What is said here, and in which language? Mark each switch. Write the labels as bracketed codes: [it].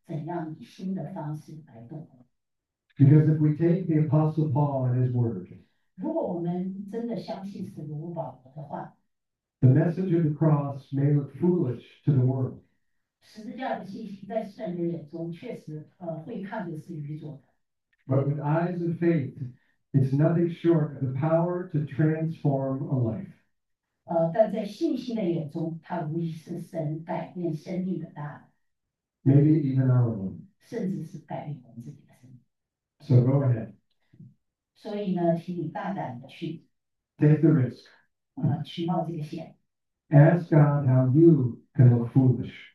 [zh] 你愿意如何重新委身，让福音、耶稣基督的福音，就是这宇宙的信息，在你生命中怎样以新的方式来动？ [en] Because if we take the Apostle Paul and his word, [zh] 如果我们真的相信使徒保罗的话, [en] the message of the cross may look foolish to the world. [zh] 十字架的信息在世人的眼中确实会看的是愚拙的。 [en] But with eyes of faith, it's nothing short of the power to transform a life. [zh] 但在信心的眼中，它无疑是神改变生命的大。 [en] Maybe even our own. [zh] 甚至是改变我们自己的生命。 [en] So go ahead. [zh] 所以呢，请你大胆的去。 [en] Take the risk. [zh] 去冒这个险。 [en] Ask God how you can look foolish.